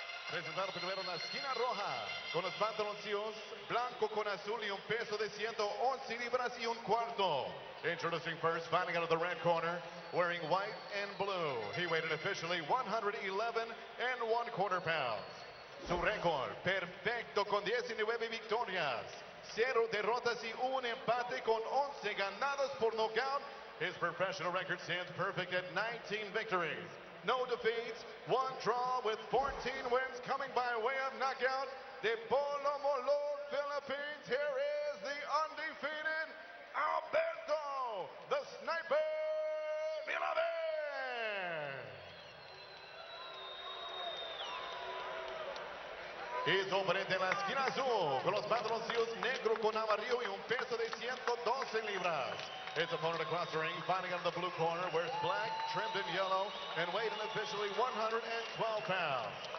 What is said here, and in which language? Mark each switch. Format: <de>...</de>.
<es>Presentado primero en la esquina roja, con los pantaloncillos blanco con azul y un peso de 111 libras y un cuarto.</es> <en>Introducing first, fighting out of the red corner, wearing white and blue. He weighed officially 111¼ pounds.</en> <es>Su récord, perfecto, con 19 victorias, 0 derrotas y un empate con 11 ganadas por nocaut.</es> <en>His professional record stands perfect at 19 victories. No defeats, one draw with 14 wins coming by way of knockout. De Polo Molo, Philippines, here is the undefeated Alberto, the sniper, Milavez.</en> <es>Y sobre de la esquina azul, con los patroncillos negro con amarillo y un peso de 112 libras.</es> <en>His opponent across the ring, fighting out of the blue corner, wears black, trimmed in yellow, and weighing officially 112 pounds.</en>